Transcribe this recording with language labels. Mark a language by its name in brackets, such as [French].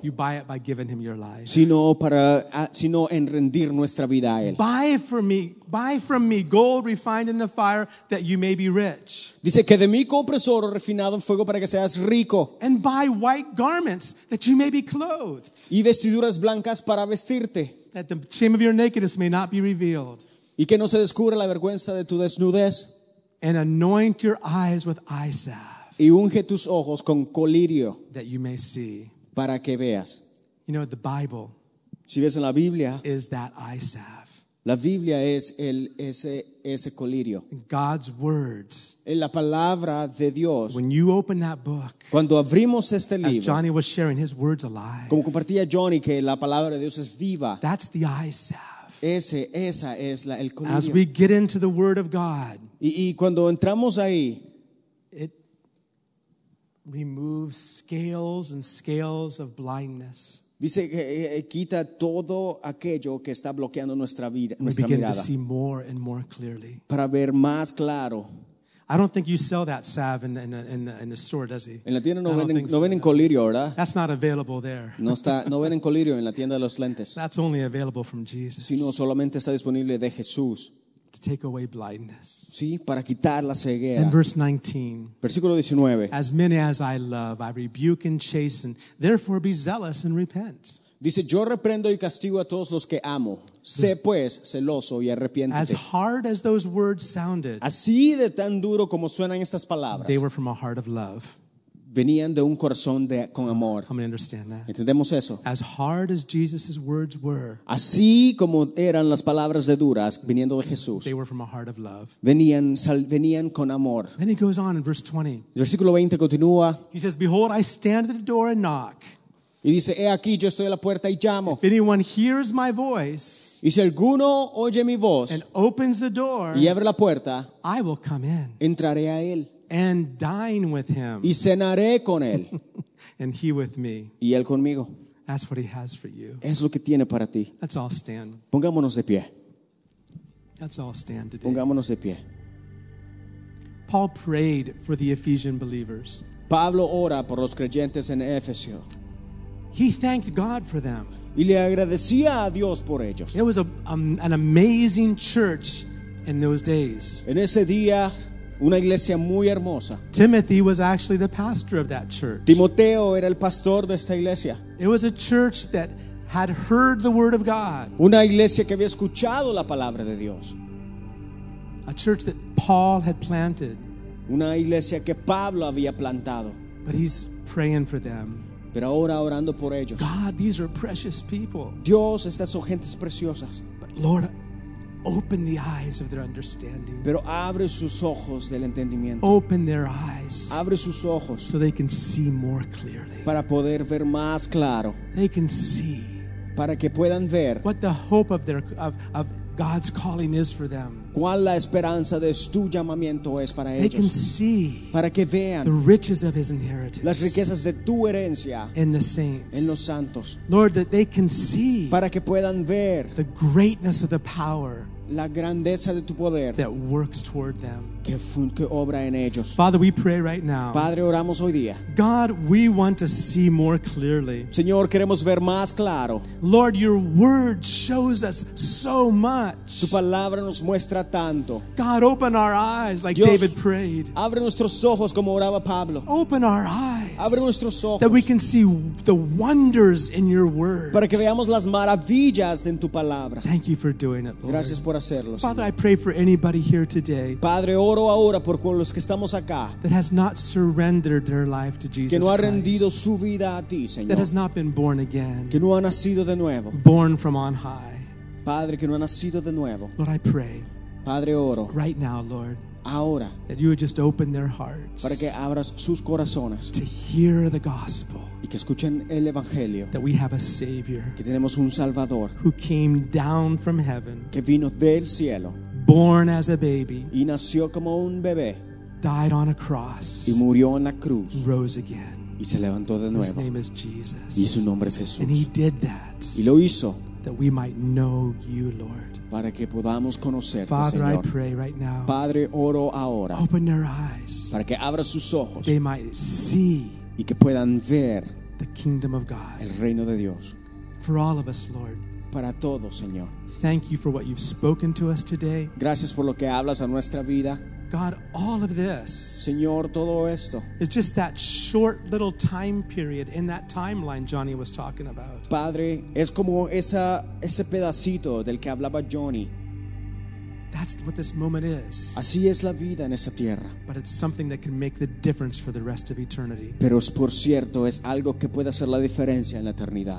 [English] You buy it by giving him your life. [Spanish] Sino en rendir nuestra vida a él. [English] Buy from me gold refined in the fire that you may be rich. [Spanish] Dice que de mí compres oro refinado en fuego para que seas rico. [English] And buy white garments that you may be clothed. [Spanish] Y vestiduras blancas para vestirte. [English] That the shame of your nakedness may not be revealed. [Spanish] Y que no se descubra la vergüenza de tu desnudez. [English] And anoint your eyes with eye salve. [Spanish] Y unge tus ojos con colirio [English] that you may see. [Spanish] Para que veas. [English] You know, the Bible, [Spanish] si ves en la Biblia, [English] is that eye salve. [Spanish] La Biblia es ese colirio. [English] God's words. [Spanish] En la palabra de Dios. [English] When you open that book, [Spanish] cuando abrimos este libro, [English] as Johnny was sharing, his words alive. [Spanish] Como compartía Johnny que la palabra de Dios es viva. [English] That's the eye salve. [Spanish] Esa es el colirio. [English] As we get into the word of God. [Spanish] Y cuando entramos ahí, [English] remove scales and scales of blindness. [Spanish] Dice que quita todo aquello que está bloqueando nuestra vida, nuestra mirada. [English] We begin to see more and more clearly. [Spanish] Para ver más claro. [English] I don't think you sell that salve in the store, does he? [Spanish] En la tienda no venden colirio, ¿verdad? [English] That's not available there. [Spanish] No venden colirio en la tienda de los lentes. [English] That's only available from Jesus. [Spanish] Sino solamente está disponible de Jesús. [English] To take away blindness. [Spanish] Sí, para quitar la ceguera. [English] In verse 19. [Spanish] Versículo 19. [English] As many as I love, I rebuke and chasten. Therefore, be zealous and repent. [Spanish] Dice, yo reprendo y castigo a todos los que amo. Sé pues celoso y arrepiéntete. [English] As hard as those words sounded. [Spanish] Así de tan duro como suenan estas palabras. [English] They were from a heart of love. [Spanish] Venían de un corazón con amor. [English] I'm going to understand that. [Spanish] Entendemos eso. [English] As hard as Jesus' words were. [Spanish] Así como eran las palabras de duras viniendo de Jesús. [English] They were from a heart of love. [Spanish] Venían con amor. [English] Then he goes on in verse 20. [Spanish] El versículo 20 continúa. [English] He says, behold, I stand at the door and knock. [Spanish] Y dice, he aquí, yo estoy a la puerta y llamo. [English] If anyone hears my voice. [Spanish] Y si alguno oye mi voz. [English] And opens the door. [Spanish] Y abre la puerta. [English] I will come in. [Spanish] Entraré a él. [English] And dine with him. [Spanish] Y cenaré con él. [English] And he with me. [Spanish] Y él conmigo. [English] That's what he has for you. [Spanish] Es lo que tiene para ti. [English] Let's all stand. [Spanish] Pongámonos de pie. [English] Let's all stand today. [Spanish] Pongámonos de pie. [English] Paul prayed for the Ephesian believers. [Spanish] Pablo ora por los creyentes en Éfeso. [English] He thanked God for them. [Spanish] Y le agradecía a Dios por ellos. [English] It was an amazing church in those days. [Spanish] En ese día, una iglesia muy hermosa. [English] Timothy was actually the pastor of that church. [Spanish] Timoteo era el pastor de esta iglesia. [English] It was a church that had heard the word of God. [Spanish] Una iglesia que había escuchado la palabra de Dios. [English] A church that Paul had planted. [Spanish] Una iglesia que Pablo había plantado. [English] But he's praying for them. [Spanish] Pero ahora orando por ellos. [English] God, these are precious people. [Spanish] Dios, estas son gentes preciosas. [English] But Lord, open the eyes of their understanding. [Spanish] Pero abre sus ojos del entendimiento. [English] Open their eyes. [Spanish] Abre sus ojos. [English] So they can see more clearly. [Spanish] Para poder ver más claro. [English] They can see. [Spanish] Para que puedan ver. [English] What the hope of their of God's calling is for them. [Spanish] ¿Cuál la esperanza de tu llamamiento es para [English] they [Spanish] ellos? [English] They can see. [Spanish] Para que vean. [English] The riches of his inheritance. [Spanish] Las riquezas de tu herencia. [English] In the saints. [Spanish] En los santos. [English] Lord, that they can see. [Spanish] Para que puedan ver. [English] The greatness of the power. [Spanish] La grandeza de tu poder. [English] That works toward them. [Spanish] Que obra en ellos. [English] Father, we pray right now. [Spanish] Padre, oramos hoy día. [English] God, we want to see more clearly. [Spanish] Señor, queremos ver más claro. [English] Lord, your word shows us so much. [Spanish] Tu palabra nos muestra tanto. [English] God, open our eyes like [Spanish] Dios, [English] David prayed. [Spanish] Abre nuestros ojos como oraba Pablo. [English] Open our eyes. eyes. That we can see the wonders in your word. [Spanish] Para que veamos las maravillas en tu palabra. [English] Thank you for doing it, Lord. [Spanish] Gracias por hacerlo, [English] Father, I pray for anybody here today. [Spanish] Padre, oro ahora por los que estamos acá. [English] That has not surrendered their life to Jesus. [Spanish] Que no ha rendido su vida a ti, Señor. [English] That has not been born again. [Spanish] Que no ha nacido de nuevo. [English] Born from on high. [Spanish] Padre, que no ha nacido de nuevo. [English] Lord, I pray. [Spanish] Padre, oro. [English] Right now, Lord. [Spanish] Ahora, [English] that you would just open their hearts. [Spanish] Para que abras sus corazones. [English] To hear the gospel. [Spanish] Y que escuchen el evangelio. [English] That we have a Savior. [Spanish] Que tenemos un Salvador. [English] Who came down from heaven. [Spanish] Que vino del cielo. [English] Born as a baby. [Spanish] Y nació como un bebé. [English] Died on a cross. [Spanish] Y murió en la cruz. [English] Rose again. [Spanish] Y se levantó de nuevo. [English] His name is Jesus. [Spanish] Y su nombre es Jesús. [English] And he did that. [Spanish] Y lo hizo. [English] That we might know you, Lord. [Spanish] Para que podamos conocerte, [English] Father, [Spanish] Señor. [English] I pray right now. [Spanish] Padre, oro ahora. [English] Open their eyes. [Spanish] Para que abra sus ojos. [English] They might see. [Spanish] Y que puedan ver. [English] The kingdom of God. [Spanish] El reino de Dios. [English] For all of us, Lord. [Spanish] Para todos, Señor. [English] Thank you for what you've spoken to us today. [Spanish] Gracias por lo que hablas a nuestra vida. [English] God, all of this. [Spanish] Señor, todo esto. [English] It's just that short little time period in that timeline Johnny was talking about. [Spanish] Padre, es como ese pedacito del que hablaba Johnny. [English] That's what this moment is. [Spanish] Así es la vida en esta tierra. [English] But it's something that can make the difference for the rest of eternity. [Spanish] Pero es por cierto, es algo que puede hacer la diferencia en la eternidad.